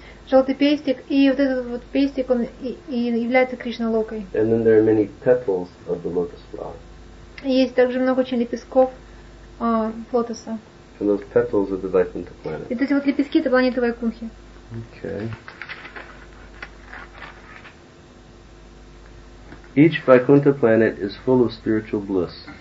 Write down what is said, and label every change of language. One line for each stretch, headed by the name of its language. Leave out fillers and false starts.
Russian: Желтый пестик, и вот этот вот пестик, он и является Кришна Локой.
English: And then there are many petals of the lotus flower.
Russian: И есть также много очень лепестков лотоса.
English: And those petals are the Vaikuntha planet.
Russian: И эти вот лепестки — это планеты Вайкунхи.
English: Okay. Each Vaikuntha planet is full of spiritual bliss.